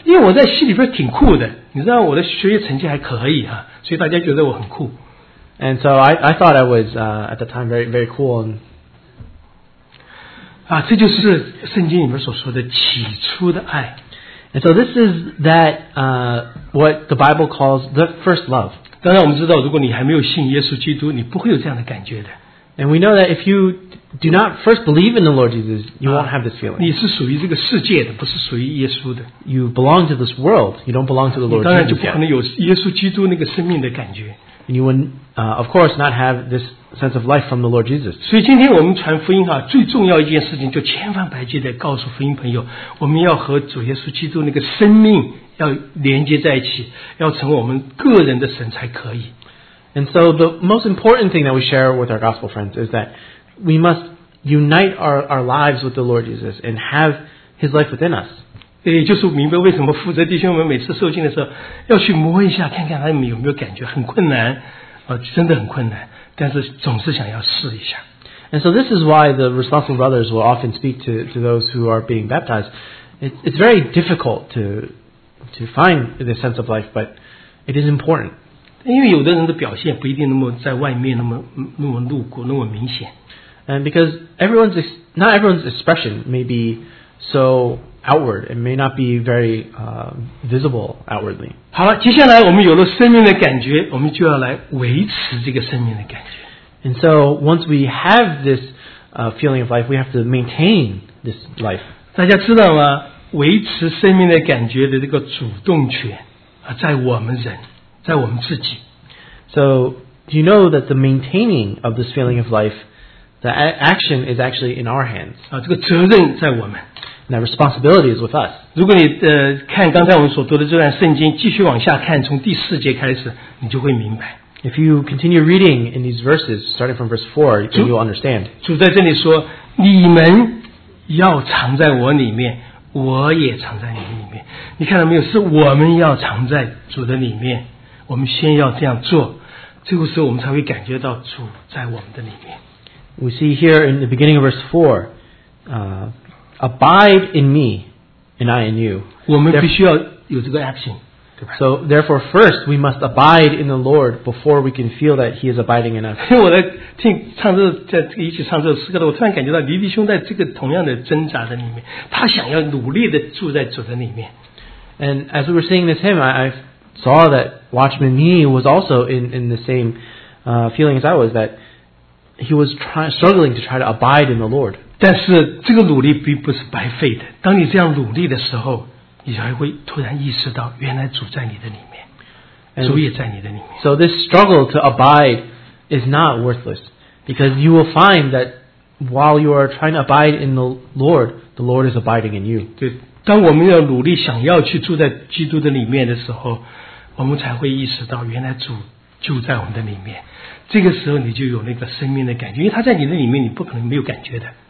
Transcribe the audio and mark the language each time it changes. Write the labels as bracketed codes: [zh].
[zh] 因为我在戏里边挺酷的，你知道我的学业成绩还可以啊，所以大家觉得我很酷。 [en] And so I thought I was at the time very very cool. And, [zh] 这就是圣经里面所说的起初的爱。 [en] And so this is that what the Bible calls the first love. [zh] 当然我们知道，如果你还没有信耶稣基督，你不会有这样的感觉的。 [en] And we know that if you do not first believe in the Lord Jesus, you won't have this feeling. [zh] 你是属于这个世界的，不是属于耶稣的。 [en] You belong to this world. You don't belong to the Lord Jesus. [zh] 当然就不可能有耶稣基督那个生命的感觉。 [en] And you would, of course, not have this sense of life from the Lord Jesus. [zh] 所以今天我们传福音哈，最重要一件事情就千方百计的告诉福音朋友，我们要和主耶稣基督那个生命要连接在一起，要成为我们个人的神才可以。 [en] And so the most important thing that we share with our gospel friends is that we must unite our lives with the Lord Jesus and have His life within us. [zh] 也就是明白为什么负责弟兄们每次受浸的时候要去摸一下，看看他们有没有感觉，很困难，真的很困难。但是总是想要试一下。 [en] And so this is why the responsible brothers will often speak to those who are being baptized. It's very difficult to find the sense of life, but it is important. [zh] 因为有的人的表现不一定那么在外面那么露骨，那么明显。 [en] And because not everyone's expression may be so outward, it may not be very visible outwardly. [zh] 好了，接下来我们有了生命的感觉，我们就要来维持这个生命的感觉。 [en] And so once we have this feeling of life, we have to maintain this life. [zh] 大家知道吗？维持生命的感觉的这个主动权在我们人，在我们自己。 [en] So do you know that the maintaining of this feeling of life, the action is actually in our hands? [zh] 这个责任在我们。 [en] Now responsibility is with us. [zh] 如果你看刚才我们所读的这段圣经，继续往下看，从第四节开始，你就会明白。 [en] If you continue reading in these verses, starting from verse 4, you will understand. [zh] 主在这里说，你们要藏在我里面，我也藏在你里面。你看到没有？是我们要藏在主的里面，我们先要这样做，这个时候我们才会感觉到主在我们的里面。 [en] We see here in the beginning of verse 4, abide in me, and I in you. [zh] 我们必须要有这个 action。 [en] So therefore, first we must abide in the Lord before we can feel that He is abiding in us. [zh] 我在听唱这在这个一起唱这诗歌的，我突然感觉到黎弟兄在这个同样的挣扎的里面，他想要努力的住在主的里面。 [en] And as we were singing this hymn, I saw that Watchman Nee was also in the same feeling as I was, that he was struggling to try to abide in the Lord. [zh] 但是这个努力并不是白费的。当你这样努力的时候。你才会突然意识到，原来主在你的里面， [en] and、 [zh] 主也在你的里面。 [en] So this struggle to abide is not worthless, because you will find that while you are trying to abide in the Lord is abiding in you. [zh] 对，当我们要努力想要去住在基督的里面的时候，我们才会意识到，原来主就在我们的里面。这个时候你就有那个生命的感觉，因为他在你的里面，你不可能没有感觉的。